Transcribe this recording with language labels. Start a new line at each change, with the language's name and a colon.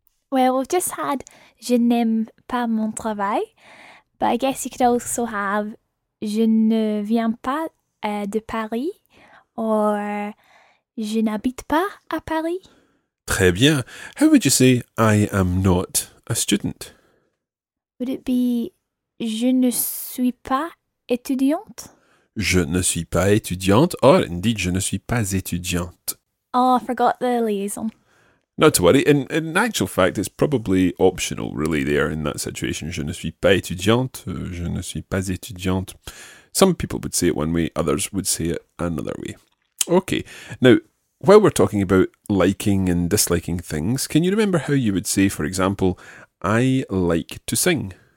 English: Well, we've just had
French: je n'aime pas mon travail,
English: but I guess you could also have
French: je ne viens pas de Paris,
English: or
French: je n'habite pas à Paris. Très bien.
English: How would you say I am not a student? Would it be
French: je ne suis pas étudiante? Je ne suis pas étudiante,
English: or indeed
French: je ne suis pas étudiante.
English: Oh, I forgot the liaison. Not to worry. In actual fact, it's probably optional, really, there in that situation.
French: Je ne suis pas étudiante. Je ne suis pas étudiante.
English: Some people would say it one way, others would say it another way. Okay. Now, while we're talking about liking and disliking things, can you remember how you would say, for example, I like to sing?